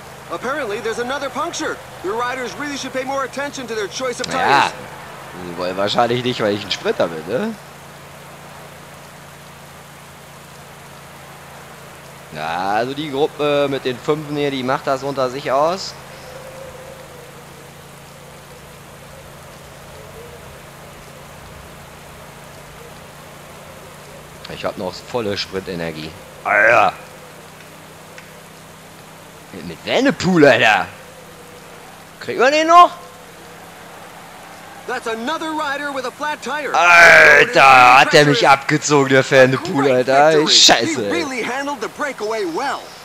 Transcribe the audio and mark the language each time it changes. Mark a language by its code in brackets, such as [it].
[en] Apparently there's another puncture. Your riders really should pay more attention to their choice of tires. [de] Ja, sie wollen wahrscheinlich nicht, weil ich ein Sprinter bin, ne? Ja, also die Gruppe mit den fünf hier, die macht das unter sich aus. Ich habe noch volle Spritenergie. Alter. Mit Vanderpool, Alter. Kriegt man den noch? [en] That's another rider with a flat tire. [de] Alter, hat der mich abgezogen, der Vanderpool, Alter. Scheiße. [en] He really handled the breakaway well.